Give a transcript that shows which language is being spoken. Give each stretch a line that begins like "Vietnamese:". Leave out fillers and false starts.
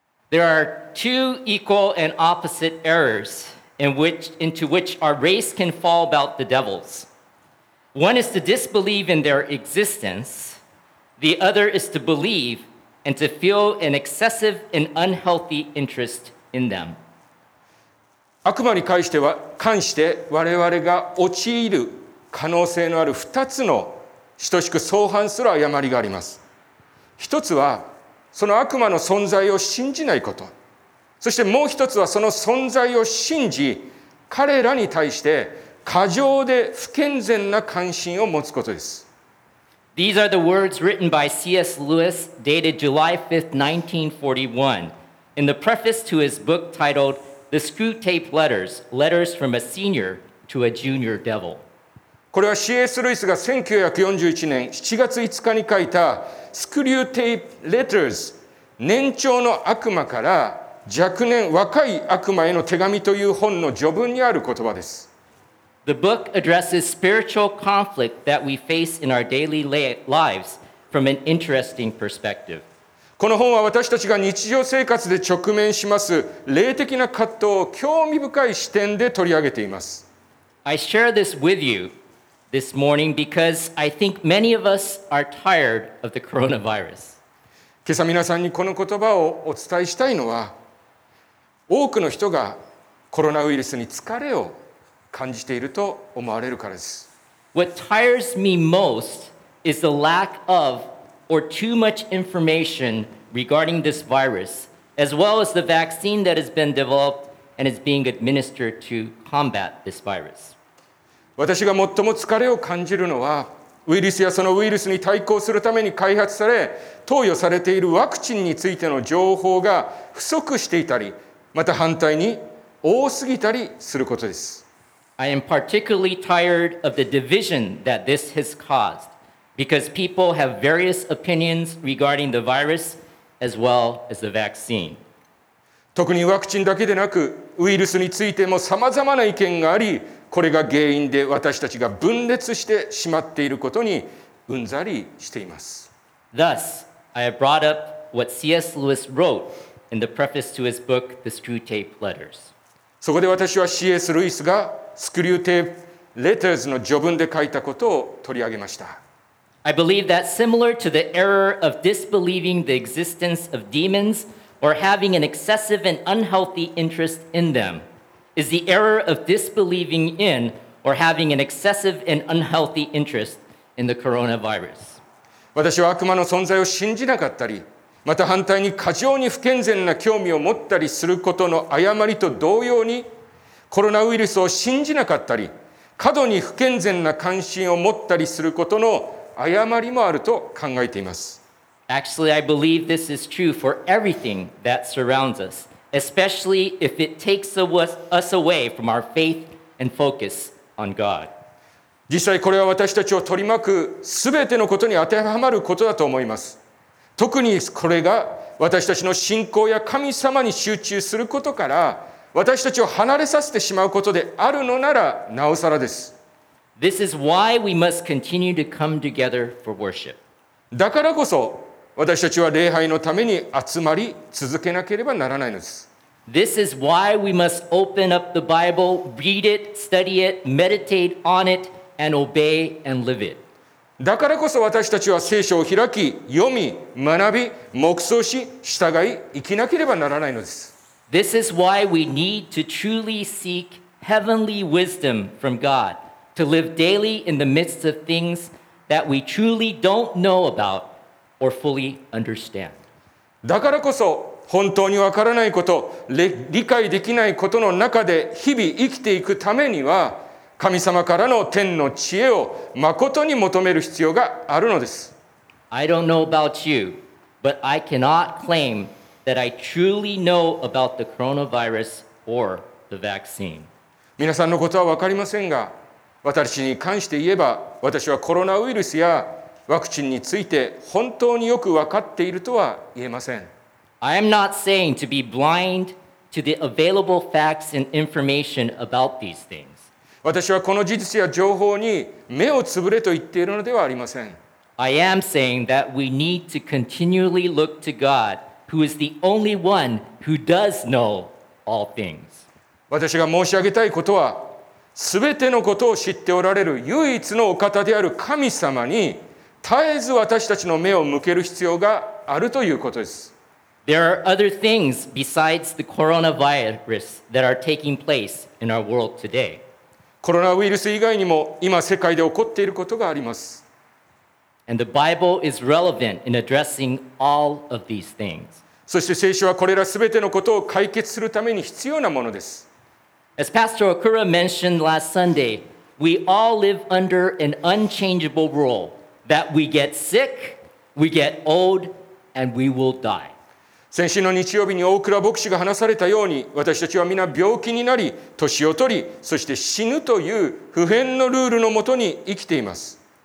English: There are two equal and opposite errors into which our race can fall about the devils. One is to disbelieve in their existence. The other is to believe and to feel an excessive and unhealthy interest in them.
Japanese: 悪魔に関して我々が陥る可能性のある2つの等しく相反する誤りがあります。一つはその悪魔の存在を信じないこと、そしてもう一つはその存在を信じ、彼らに対して過剰で不健全な関心を持つことです。
English: These are the words written by C.S. Lewis, dated July 5th, 1941, in the preface to his book titled The Screwtape Letters, Letters from a Senior to a Junior Devil.
Japanese: これは C.S. Lewis が1941年7月5日に書いたスクリュータイプ・レターズ、年長の悪魔から若年若い悪魔への手紙という本の序文にある言葉です。
English: The book addresses spiritual conflict that we face in our daily lives from an interesting perspective.
Japanese: この本は私たちが日常生活で直面します霊的な葛藤を興味深い視点で取り上げています。
English: I share this with you this morning because I think many of us are tired of the coronavirus.
Japanese: 今朝皆さんにこの言葉をお伝えしたいのは、多くの人がコロナウイルスに疲れを感じていると思われるからです。
English: What tires me most is the lack of or too much information regarding this virus, as well as the vaccine that has been developed and is being administered to combat this virus.
Japanese: 私が最も疲れを感じるのは、ウイルスやそのウイルスに対抗するために開発され、投与されているワクチンについての情報が不足していたり、また反対に多すぎたりすることです。
English: I am particularly tired of the division that this has caused because people have various opinions regarding the virus as well as the vaccine.
Japanese: 特にワクチンだけでなくウイルスについても様々な意見があり、これが原因で私たちが分裂してしまっていることにうんざりしています。
English: Thus, I have brought up what C.S. Lewis wrote in the preface to his book, The Screwtape Letters.
Japanese: そこで私は C.S. ルイスがスクリューテープレターズの序文で書いたことを取り上げました。
English: I believe that similar to the error of disbelieving the existence of demons or having an excessive and unhealthy interest in them is the error of disbelieving in or having an excessive and unhealthy interest in the coronavirus.
Japanese: 私は悪魔の存在を信じなかったり、また反対に過剰に不健全な興味を持ったりすることの誤りと同様に、コロナウイルスを信じなかったり、過度に不健全な関心を持ったりすることの誤りもあると考えています。
English: Actually, I believe this is true for everything that surrounds us, especially if it takes us away from our faith and focus on God.
Japanese: 実際これは私たちを取り巻く全てのことに当てはまることだと思います。特にこれが私たちの信仰や神様に集中することから、私たちを離れさせてしまうことであるのならなおさらです。
English: This is why we must continue to come together for worship.
Japanese: だからこそ私たちは礼拝のために集まり続けなければならないのです。
English: This is why we must open up the Bible, read it, study it, meditate on it, and obey and live it.
Japanese: だからこそ私たちは聖書を開き、読み、学び、黙想し、従い、生きなければならないのです。
English: This is why we need to truly seek heavenly wisdom from God to live daily in the midst of things that we truly don't know about or fully understand.
Japanese: だからこそ本当にわからないこと、理解できないことの中で日々生きていくためには、神様からの天の知恵を誠に求める必要があるのです。
English: I don't know about you, but I cannot claim that I truly know about the coronavirus or the vaccine.
Japanese: 皆さんのことは分かりませんが、私に関して言えば、私はコロナウイルスやワクチンについて本当によく分かっているとは言えません。
English: I am not saying to be blind to the available facts and information about these things.
Japanese: 私はこの事実や情報に目をつぶれと言っているのではありません。
English: I am saying that we need to continually look to God who is the only one who does know all things.
Japanese: 私が申し上げたいことは、すべてのことを知っておられる唯一のお方である神様に絶えず私たちの目を向ける必要があるということです。
English: There are other things besides the coronavirus that are taking place in our world today.
Japanese: コロナウイルス以外にも今世界で起こっていることがあります。
English: And the Bible is relevant in addressing all of these things.
Japanese: そして聖書はこれらすべてのことを解決するために必要なものです。
English: As Pastor Okura mentioned last Sunday, we all live under an unchangeable rule that we get sick, we get old, and we will die.
Japanese: 先週の日曜日に大倉牧師が話されたように、私たちは皆病気になり、年を取り、そして死ぬという普遍のルールのもとに生きています。